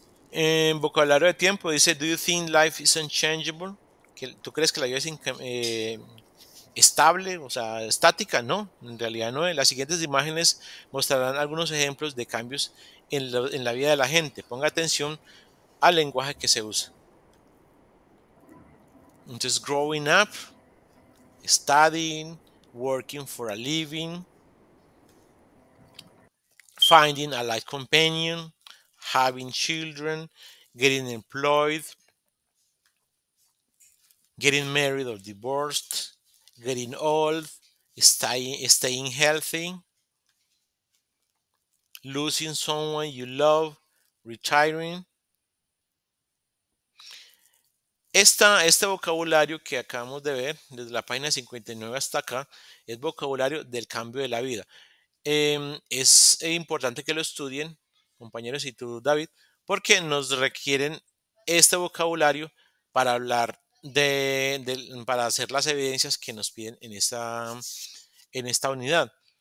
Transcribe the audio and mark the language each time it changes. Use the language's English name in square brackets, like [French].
[Spanish] En vocabulario de tiempo dice, [English] do you think life is unchangeable? [Spanish] ¿Tú crees que la vida es estable, o sea, estática? No, en realidad no. Las siguientes imágenes mostrarán algunos ejemplos de cambios en la vida de la gente. Ponga atención al lenguaje que se usa. [English] Entonces, growing up, studying, working for a living, finding a life companion, having children, getting employed, getting married or divorced, getting old, staying healthy, losing someone you love, retiring. [Spanish] Este vocabulario que acabamos de ver, desde la página 59 hasta acá, es vocabulario del cambio de la vida. Es importante que lo estudien, compañeros, y tú, David, porque nos requieren este vocabulario para hablar para hacer las evidencias que nos piden en esta unidad.